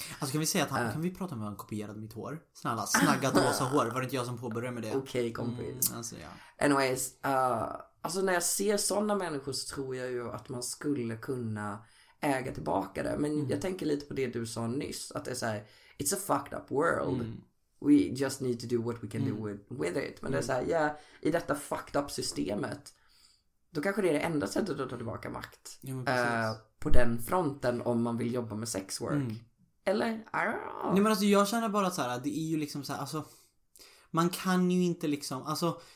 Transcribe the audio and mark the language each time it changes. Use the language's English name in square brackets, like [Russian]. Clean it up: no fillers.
[Swedish] Alltså kan vi säga att han, kan vi prata om hur han kopierade mitt hår? Snälla, snaggat rosa hår. Var det inte jag som påbörjade med det? Okej, kompis. Alltså, anyways, alltså när jag ser sådana människor så tror jag ju att man skulle kunna äga tillbaka det. Men jag tänker lite på det du sa nyss. Att det är såhär, [English] it's a fucked up world. We just need to do what we can do with it. [Swedish] Men det är såhär, i detta [English] fucked up [Swedish] systemet. Då kanske det är det enda sättet att ta tillbaka makt. På den fronten om man vill jobba med sex work. Eller, [English] I don't [Swedish] know. Nej, men alltså jag känner bara så här, det är ju liksom så här, alltså. Man kan ju inte liksom, alltså.